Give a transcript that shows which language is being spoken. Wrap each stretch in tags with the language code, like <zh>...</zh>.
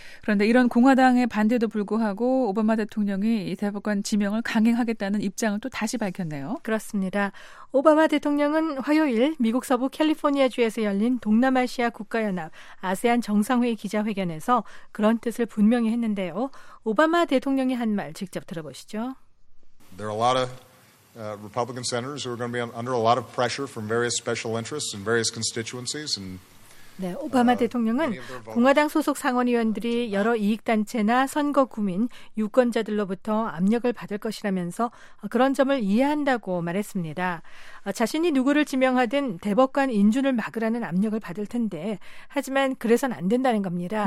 <ko>그런데 이런 공화당의 반대도 불구하고 오바마 대통령이 이 대법관 지명을 강행하겠다는 입장을 또 다시 밝혔네요. 그렇습니다. 오바마 대통령은 화요일 미국 서부 캘리포니아주에서 열린 동남아시아 국가연합 아세안 정상회의 기자회견에서 그런 뜻을 분명히 했는데요. 오바마 대통령이 한 말 직접 들어보시죠.</ko> <en>There are a lot of Republican senators who are going to be under a lot of pressure from various special interests and various constituencies and</en> <ko>네, 오바마 대통령은 공화당 소속 상원의원들이 여러 이익단체나 선거 구민, 유권자들로부터 압력을 받을 것이라면서 그런 점을 이해한다고 말했습니다. 자신이 누구를 지명하든 대법관 인준을 막으라는 압력을 받을 텐데 하지만 그래서는 안 된다는 겁니다.</ko>